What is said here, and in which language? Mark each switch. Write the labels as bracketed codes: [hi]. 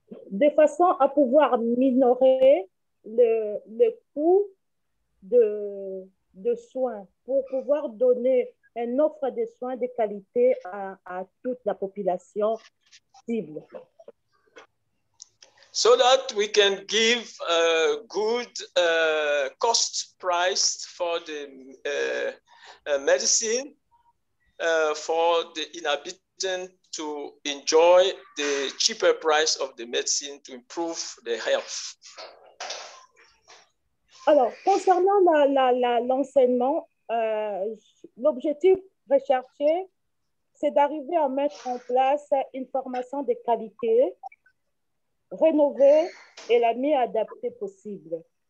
[fr] De façon à pouvoir minorer le coût de soins pour pouvoir donner une offre de soins de qualité à toute la population cible. [en] So that we can give a good cost price for the medicine for the inhabitant to enjoy the cheaper price of the medicine to improve their health. [fr] Alors, concernant l'enseignement, l'objectif recherché, c'est d'arriver à mettre en place une formation de qualité, rénovée et la mieux adaptée possible.